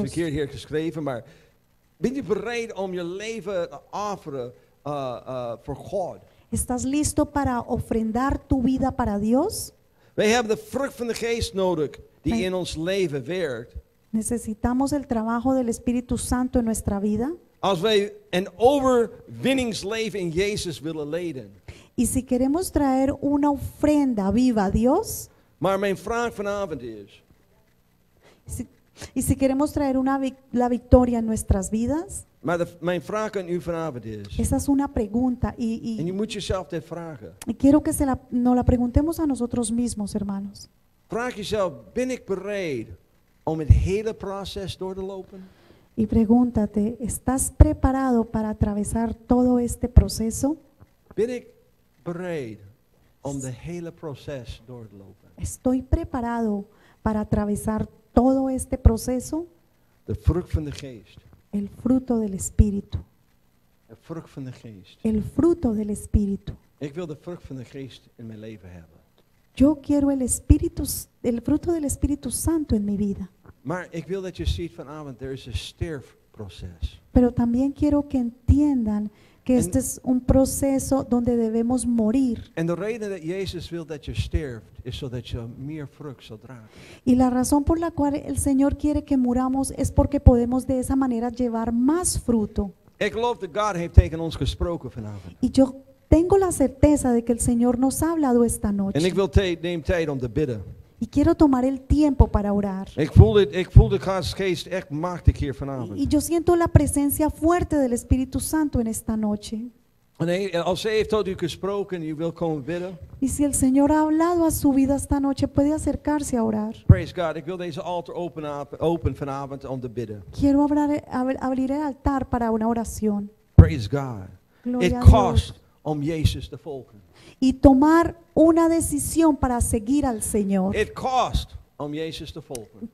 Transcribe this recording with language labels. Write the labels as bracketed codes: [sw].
[nl] Het verkeerd hier geschreven, maar bent u bereid om je leven te offeren voor God? [es] ¿Estás listo para ofrendar tu vida para Dios? [nl] Wij hebben de vrucht van de geest nodig die in ons leven werkt. [es] Necesitamos el trabajo del Espíritu Santo en nuestra vida. [nl] Als wij een overwinningsleven in Jezus willen leiden. [es] Y si queremos traer una ofrenda viva a Dios. [nl] Maar mijn vraag vanavond is. [es] Y si queremos traer la victoria en nuestras vidas. [nl] Maar mijn vraag aan u vanavond is. [es] Esa es una pregunta [nl] en je moet jezelf dit vragen. [es] Y quiero que nos la preguntemos a nosotros mismos, hermanos. [nl] Vraag jezelf, ben ik bereid om het hele proces door te lopen? [es] Y pregúntate, ¿estás preparado para atravesar todo este proceso? [nl] Ben ik bereid om de hele proces door te lopen? [es] Estoy preparado para atravesar todo este proceso. [nl] De vrucht van de geest. [es] El fruto del Espíritu. [nl] De vrucht van de geest. [es] El fruto del Espíritu. [nl] Ik wil de vrucht van de geest in mijn leven hebben. [es] Yo quiero el fruto del Espíritu Santo en mi vida. [nl] Maar ik wil dat je ziet vanavond, [en] there is a [nl] sterfproces. [es] Pero también quiero que entiendan que este es un proceso donde debemos morir. [nl] En de reden dat Jezus wil dat je sterft, is zodat je meer vrucht zal dragen. [es] Y la razón por la cual el Señor quiere que muramos es porque podemos de esa manera llevar más fruto. [nl] Ik geloof dat God heeft tegen ons gesproken vanavond. [es] Y yo tengo la certeza de que el Señor nos ha hablado esta noche. [nl] En ik wil neem tijd om te bidden. [es] Y quiero tomar el tiempo para orar. [nl] Ik voel de Gods geest echt machtig hier vanavond. [es] Y yo siento la presencia fuerte del Espíritu Santo en esta noche. [nl] Als hij heeft tot u gesproken, u wil komen bidden. [es] Y si el Señor ha hablado a su vida esta noche, puede acercarse a orar. [en] Praise God, [nl] ik wil deze altar open vanavond om te bidden. [es] Quiero abrir el altar para una oración. [en] Praise God. [es] Gloria [en] it cost [nl] om Jezus te volgen. [es] Y tomar una decisión para seguir al Señor. [en] It cost [nl] om Jezus te volgen.